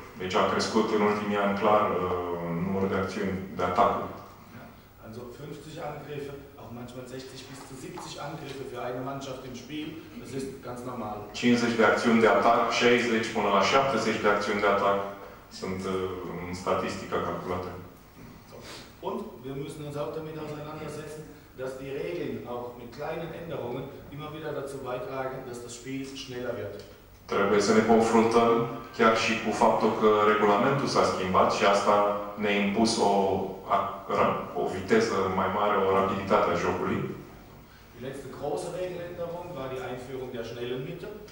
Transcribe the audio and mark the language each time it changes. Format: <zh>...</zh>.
<ro>Deci a crescut în ultimii ani clar numărul de acțiuni de atacuri.</ro> <de>Also 50 angriffe, auch manchmal 60 bis zu 70 angriffe für eine Mannschaft im Spiel, das ist ganz normal.</de> <ro>50 de acțiuni de atac, 60 până la 70 de acțiuni de atac. Sunt în statistică calculată.</ro> <de>Und wir müssen uns auch damit auseinandersetzen, dass die Regeln auch mit kleinen Änderungen immer wieder dazu beitragen, dass das Spiel schneller wird.</de> <ro>Trebuie să ne confruntăm chiar și cu faptul că regulamentul s-a schimbat și asta ne-a impus o o viteză mai mare, o rapiditate a jocului.</ro> <de>Die letzte große Regeländerung war die Einführung der schnellen Mitte.</de>